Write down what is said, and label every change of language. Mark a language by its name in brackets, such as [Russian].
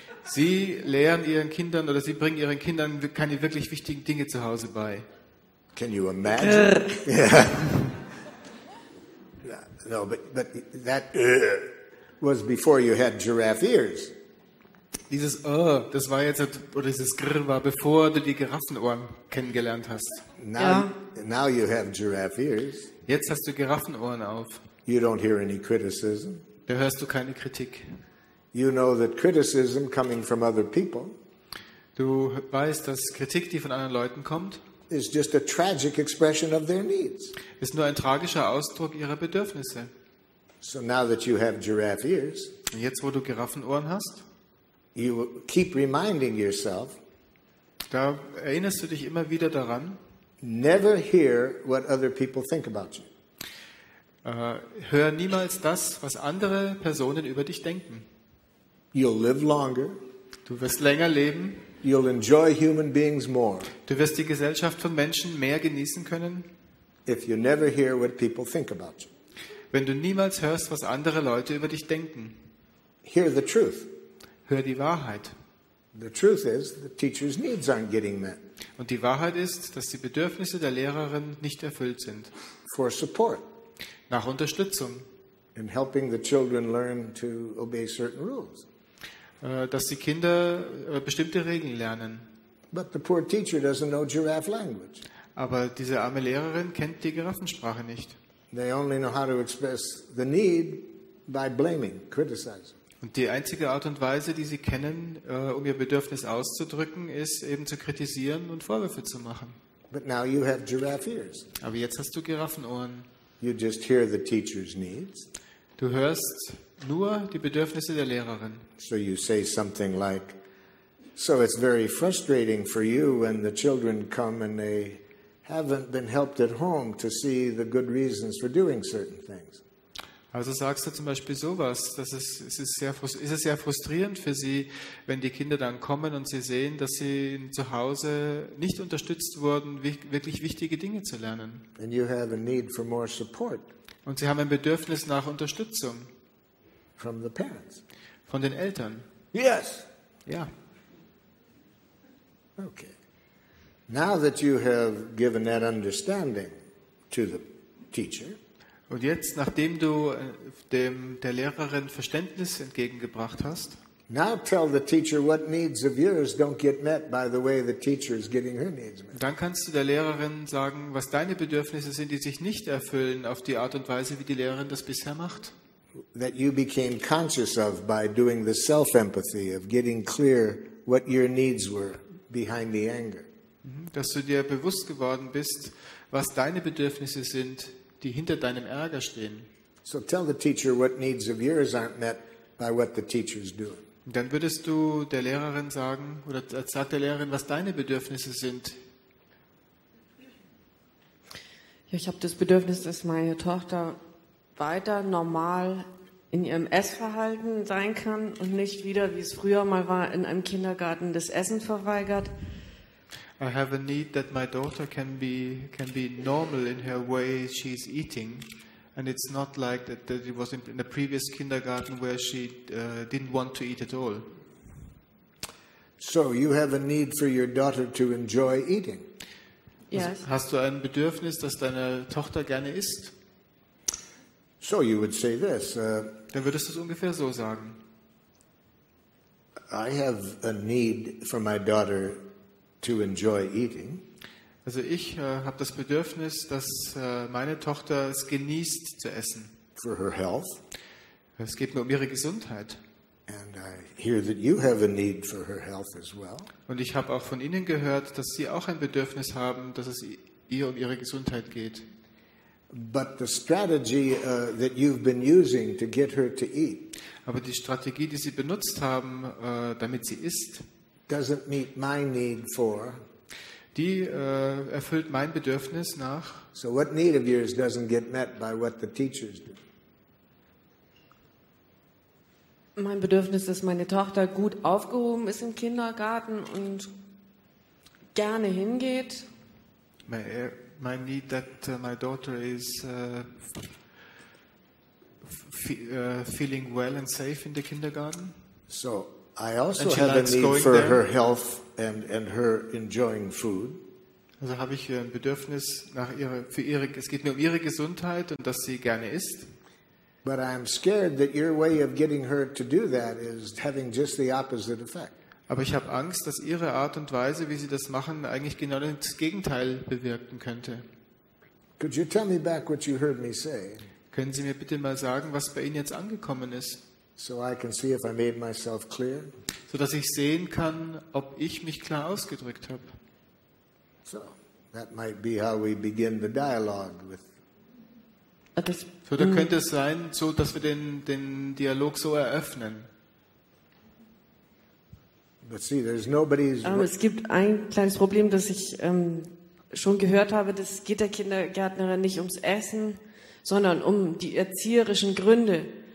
[German] Sie lehren ihren Kindern oder sie bringen ihren Kindern keine wirklich wichtigen Dinge zu Hause bei. [English] Can you imagine? Yeah. No, but that was before you had giraffe ears. [German] Dieses das war jetzt oder dieses Grr war bevor du die Giraffenohren kennengelernt hast. [English] Now you have giraffe ears. [German] Jetzt hast du Giraffenohren auf. [English] You don't hear any criticism. [German] Da hörst du keine Kritik. [English] You know that criticism coming from other people. [German] Du weißt, dass Kritik, die von anderen Leuten kommt, [English] is just a tragic expression of their needs. [German] Ist nur ein tragischer Ausdruck ihrer Bedürfnisse. [English] So now that you have giraffe ears. [German] Und jetzt, wo du Giraffenohren hast, [English] you keep reminding yourself. [German] Da erinnerst du dich immer wieder daran. [English] Never hear what other people think about you. [German] Hör niemals das, was andere Personen über dich denken. [English] You'll live longer. [German] Du wirst länger leben. [English] You'll enjoy human beings more. [German] Du wirst die Gesellschaft von Menschen mehr genießen können. [English] If you never hear what people think about you. [German] Wenn du niemals hörst, was andere Leute über dich denken. [English] Hear the truth. [German] Hör die Wahrheit. [English] The truth is, the teacher's needs aren't getting met. [German] Und die Wahrheit ist, dass die Bedürfnisse der Lehrerin nicht erfüllt sind. [English] For support. [German] Nach Unterstützung. [English] In helping the children learn to obey certain rules. [German] Dass die Kinder bestimmte Regeln lernen. [English] But the poor teacher doesn't know giraffe language. [German] Aber diese arme Lehrerin kennt die Giraffensprache nicht. [English] They only know how to express the need by blaming, criticizing. [German] Und die einzige Art und Weise, die sie kennen, um ihr Bedürfnis auszudrücken, ist eben zu kritisieren und Vorwürfe zu machen. [English] But now you have giraffe ears. [German] Aber jetzt hast du Giraffenohren. [English] You just hear the teacher's needs. [German] Du hörst nur die Bedürfnisse der Lehrerin. [English] So you say something like, so it's very frustrating for you when the children come and they haven't been helped at home to see the good reasons for doing certain things. [German] Also sagst du zum Beispiel sowas, dass es ist sehr frustrierend für sie, wenn die Kinder dann kommen und sie sehen, dass sie zu Hause nicht unterstützt wurden, wirklich wichtige Dinge zu lernen. [English] And you have a need for more support. [German] Und sie haben ein Bedürfnis nach Unterstützung. [English] From the parents. [German] Von den Eltern. [English] Yes. [German] Ja. [English] Okay. Now that you have given that understanding to the teacher. [German] Und jetzt, nachdem du der Lehrerin Verständnis entgegengebracht hast, dann kannst du der Lehrerin sagen, was deine Bedürfnisse sind, die sich nicht erfüllen auf die Art und Weise, wie die Lehrerin das bisher macht. [English] That you became conscious of by doing the self-empathy of getting clear what your needs were behind the anger. [German] Dass du dir bewusst geworden bist, was deine Bedürfnisse sind, die hinter deinem Ärger stehen. [English] So tell the teacher what needs of yours aren't met by what the teacher's doing. [German] Dann würdest du der Lehrerin sagen oder sag der Lehrerin, was deine Bedürfnisse sind. Ja, ich habe das Bedürfnis, dass meine Tochter weiter normal in ihrem Essverhalten sein kann und nicht wieder, wie es früher mal war, in einem Kindergarten das Essen verweigert. [English] I have a need that my daughter can be normal in her way she's eating And it's not like that it was in the previous kindergarten where she didn't want to eat at all. So you have a need for your daughter to enjoy eating. Yes. [German] Hast du ein Bedürfnis, dass deine Tochter gerne isst? [English] So you would say this. [German] Dann würdest du es ungefähr so sagen. [English] I have a need for my daughter to enjoy eating. [German] Also ich habe das Bedürfnis, dass meine Tochter es genießt zu essen. [English] For her health. [German] Es geht mir um ihre Gesundheit. [English] And I hear that you have a need for her health as well. [German] Und ich habe auch von Ihnen gehört, dass Sie auch ein Bedürfnis haben, dass es ihr um ihre Gesundheit geht. [English] But the strategy that you've been using to get her to eat. [German] Aber die Strategie, die Sie benutzt haben, damit sie isst, [English] doesn't meet my need for. [German] Die erfüllt mein Bedürfnis nach. [English] So what need of yours doesn't get met by what the teachers do? [German] Mein Bedürfnis, dass meine Tochter gut aufgehoben ist im Kindergarten und gerne hingeht. [English] My need that my daughter is feeling well and safe in the kindergarten. So I also have a need for her health and her enjoying food. [German] Also habe ich ein Bedürfnis nach für ihre es geht mir um ihre Gesundheit und dass sie gerne isst. [English] But I'm scared that your way of getting her to do that is having just the opposite effect. [German] Aber ich habe Angst, dass ihre Art und Weise, wie sie das machen, eigentlich genau das Gegenteil bewirken könnte. [English] Could you tell me back what you heard me say? [German] Können Sie mir bitte mal sagen, was bei Ihnen jetzt angekommen ist? [English] So I can see if I made myself clear. [German] So dass ich sehen kann, ob ich mich klar ausgedrückt habe. [English] So that might be how we begin the dialogue with. [German] So, da könnte es sein, so dass wir den Dialog so eröffnen. [English] But see, there's nobody's. [German] Aber es gibt ein kleines Problem, das ich schon gehört habe. Das geht der Kindergärtnerin nicht ums Essen, sondern um die erzieherischen Gründe.